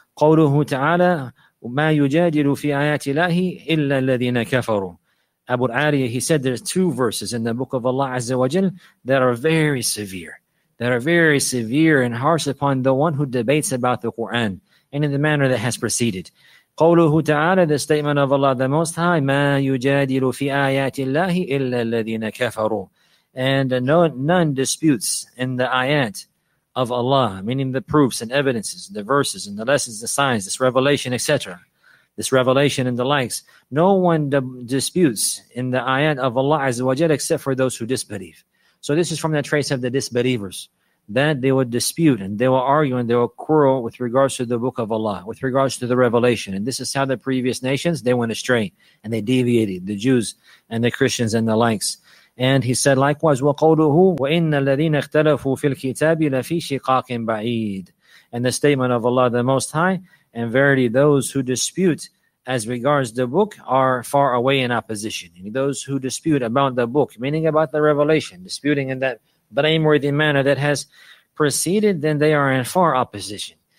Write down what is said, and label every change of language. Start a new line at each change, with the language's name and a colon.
Arabic: قَوْلُهُ تَعَالَى مَا يُجَادِلُ فِي آيَاتِ اللَّهِ إِلَّا الَّذِينَ كَفَرُوا.
English: Abu al-Ariya, he said there's two verses in the book of Allah Azza wa Jal that are very severe. And harsh upon the one who debates about the Quran and in the manner that has preceded.
Arabic: قَوْلُهُ تَعَالَى,
English: the statement of Allah the Most High,
Arabic: مَا يُجَادِلُ فِي آيَاتِ اللَّهِ إِلَّا الَّذِينَ كَفَرُوا.
English: And none disputes in the ayat of Allah, meaning the proofs and evidences, the verses and the lessons, the signs, this revelation, etc. This revelation and the likes. No one disputes in the ayat of Allah Azza wa Jalla except for those who disbelieve. So this is from the traits of the disbelievers. that they will dispute and they will argue and they will quarrel with regards to the book of Allah, with regards to the revelation. And this is how the previous nations, they went astray and they deviated, the Jews and the Christians and the likes. And he said, likewise,
Arabic: وَقَوْلُهُ وَإِنَّ الَّذِينَ اخْتَلَفُوا فِي الْكِتَابِ لَفِي شِقَاقٍ بَعِيدٍ.
English: And the statement of Allah the Most High, and verily those who dispute as regards the book are far away in opposition. And those who dispute about the book, meaning about the revelation, disputing in that blameworthy manner that has proceeded, then they are in far opposition.